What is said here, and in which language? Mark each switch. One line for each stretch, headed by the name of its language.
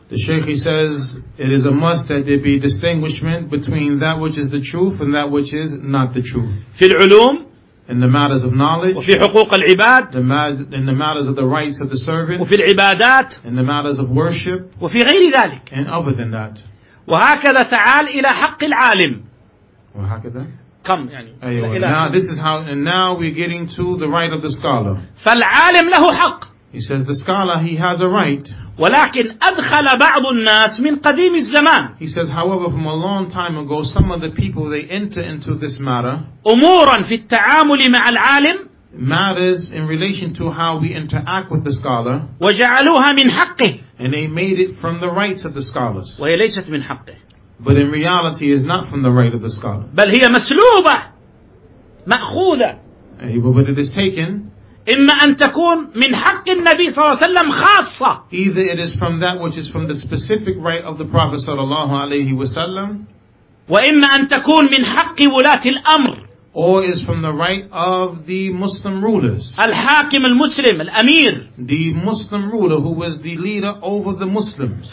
English: The Sheikh, he says it is a must that there be distinguishment between that which is the truth and that which is not the truth.
Arabic: في العلوم.
English: In the matters of knowledge.
Arabic: وفي حقوق العباد.
English: In the matters of the rights of the servant.
Arabic: وفي العبادات.
English: In the matters of worship.
Arabic: وفي غير ذلك.
English: And other than that.
Arabic: وهكذا تعال إلى حق العالم. وهكذا. كم يعني. أيوة.
English: Now this is how, and now we're getting to the right of the scholar.
Arabic: فالعالم له حق.
English: He says the scholar, he has a right.
Arabic: ولكن أدخل بعض الناس من قديم الزمان.
English: He says, however, from a long time ago, some of the people they enter into this matter.
Arabic: أمورا في التعامل مع العالم.
English: Matters in relation to how we interact with the scholar.
Arabic: وجعلوها من حقه.
English: And they made it from the rights of the scholars.
Arabic: وهي ليست من حقه.
English: But in reality, it is not from the right of the scholar.
Arabic: بل هي مسلوبة. مأخوذة.
English: But it is taken.
Arabic: إما أن تكون من حق النبي صلى الله عليه وسلم خاصة.
English: Either it is from that which is from the specific right of the Prophet
Arabic: صلى الله عليه وسلم. وإما أن تكون من حق ولاة الأمر.
English: Or is from the right of the Muslim rulers.
Arabic: الحاكم المسلم الأمير.
English: The Muslim ruler who was the leader over the Muslims.